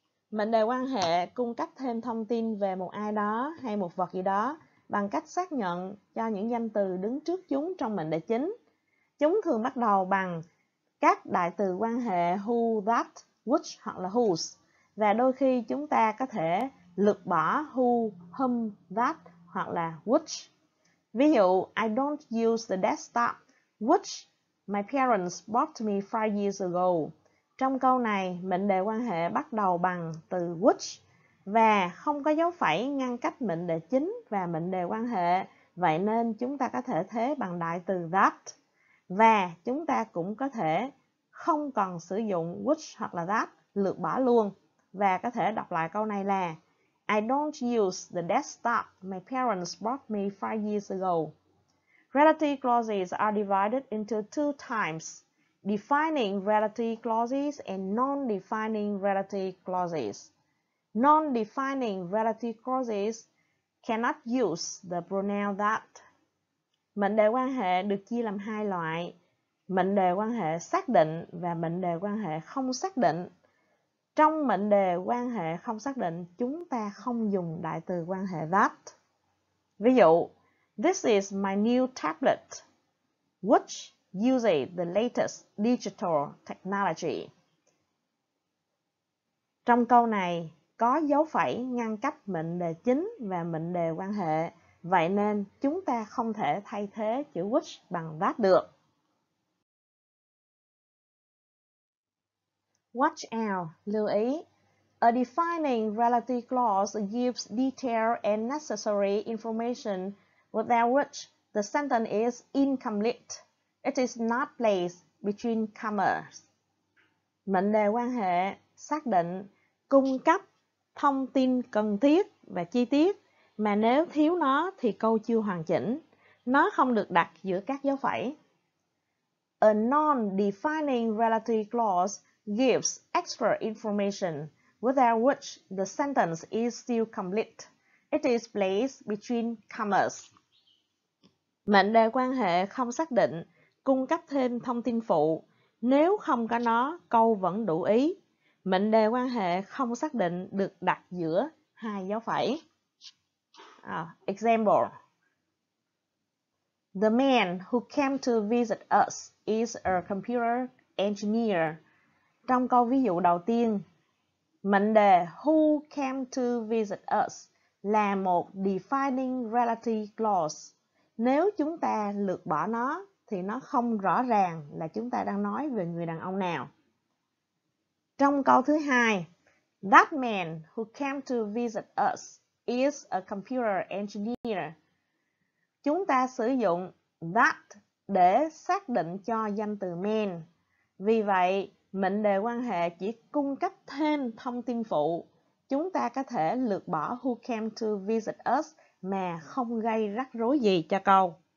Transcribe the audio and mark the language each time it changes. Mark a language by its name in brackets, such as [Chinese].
[Vietnamese] Mệnh đề quan hệ cung cấp thêm thông tin về một ai đó hay một vật gì đó bằng cách xác nhận cho những danh từ đứng trước chúng trong mệnh đề chính. Chúng thường bắt đầu bằng các đại từ quan hệ who, that, which hoặc là whose. Và đôi khi chúng ta có thể lược bỏ who, whom, that hoặc là which. Ví dụ, [English] I don't use the desktop which my parents bought me 5 years ago. [Vietnamese] Trong câu này, mệnh đề quan hệ bắt đầu bằng từ which và không có dấu phẩy ngăn cách mệnh đề chính và mệnh đề quan hệ. Vậy nên chúng ta có thể thế bằng đại từ that. Và chúng ta cũng có thể không còn sử dụng which hoặc là that, lược bỏ luôn. Và có thể đọc lại câu này là [English] I don't use the desktop my parents bought me 5 years ago. Relative clauses are divided into two types, defining relative clauses and non-defining relative clauses. Non-defining relative clauses cannot use the pronoun that. [Vietnamese] Mệnh đề quan hệ được chia làm hai loại, mệnh đề quan hệ xác định và mệnh đề quan hệ không xác định. Trong mệnh đề quan hệ không xác định, chúng ta không dùng đại từ quan hệ that. Ví dụ, [English] this is my new tablet, which uses the latest digital technology. [Vietnamese] Trong câu này, có dấu phẩy ngăn cách mệnh đề chính và mệnh đề quan hệ. Vậy nên chúng ta không thể thay thế chữ which bằng that được. [English] Watch out, [Vietnamese] lưu ý. [English] A defining relative clause gives detailed and necessary information without which the sentence is incomplete. It is not placed between commas. [Vietnamese] Mệnh đề quan hệ xác định cung cấp thông tin cần thiết và chi tiết. Mà nếu thiếu nó thì câu chưa hoàn chỉnh. Nó không được đặt giữa các dấu phẩy. [English] A non-defining relative clause gives extra information without which the sentence is still complete. It is placed between commas. [Vietnamese] Mệnh đề quan hệ không xác định cung cấp thêm thông tin phụ. Nếu không có nó, câu vẫn đủ ý. Mệnh đề quan hệ không xác định được đặt giữa hai dấu phẩy. [English] Example. The man who came to visit us is a computer engineer. [Vietnamese] Trong câu ví dụ đầu tiên, mệnh đề [English] who came to visit us [Vietnamese] là một [English] defining relative clause. [Vietnamese] Nếu chúng ta lược bỏ nó thì nó không rõ ràng là chúng ta đang nói về người đàn ông nào. Trong câu thứ hai, [English] that man who came to visit us is a computer engineer. [Vietnamese] Chúng ta sử dụng that để xác định cho danh từ man. Vì vậy, mệnh đề quan hệ chỉ cung cấp thêm thông tin phụ. Chúng ta có thể lược bỏ [English] who came to visit us [Vietnamese] mà không gây rắc rối gì cho câu.